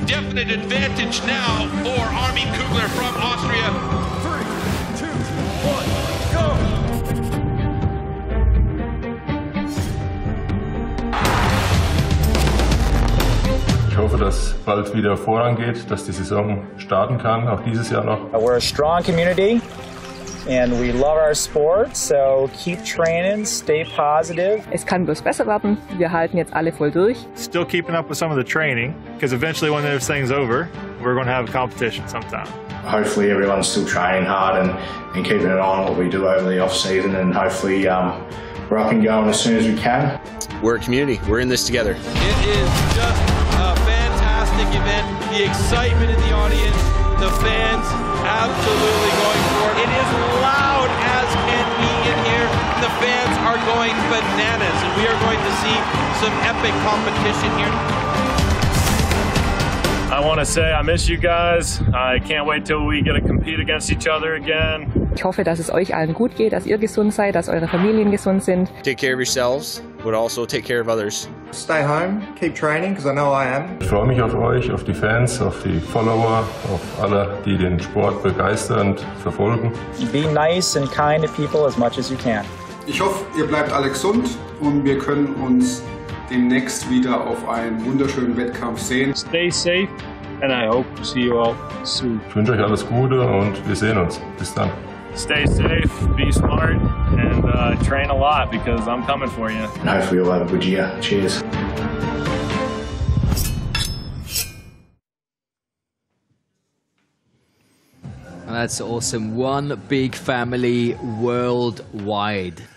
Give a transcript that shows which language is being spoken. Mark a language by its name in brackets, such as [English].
[English] Definite advantage now for Armin Kugler from Austria. [German] Ich hoffe, dass bald wieder vorangeht, dass die Saison starten kann, auch dieses Jahr noch. [English] We're a strong community and we love our sport, so keep training, stay positive. [German] Es kann bloß besser werden, wir halten jetzt alle voll durch. [English] Still keeping up with some of the training, because eventually when this thing's over, we're going to have a competition sometime. Hopefully everyone's still training hard and keeping an eye on what we do over the off-season, and hopefully we're up and going as soon as we can. We're a community, we're in this together. It is just event, the excitement in the audience, The fans absolutely going for it. It is loud as can be in here. The fans are going bananas, and we are going to see some epic competition here. I want to say I miss you guys. I can't wait till we get to compete against each other again. [German] Ich hoffe, dass es euch allen gut geht, dass ihr gesund seid, dass eure Familien gesund sind. [English] Take care of yourselves, but also take care of others. Stay home, keep training, because I know I am. [German] Ich freue mich auf euch, auf die Fans, auf die Follower, auf alle, die den Sport begeistern und verfolgen. [English] Be nice and kind to people as much as you can. [German] Ich hoffe, ihr bleibt alle gesund und wir können uns demnächst wieder auf einen wunderschönen Wettkampf sehen. [English] Stay safe and I hope to see you all soon. [German] Ich wünsche euch alles Gute und wir sehen uns. Bis dann. [English] Stay safe, be smart, and train a lot because I'm coming for you. And hopefully you'll have a good year. Cheers. That's awesome. One big family worldwide.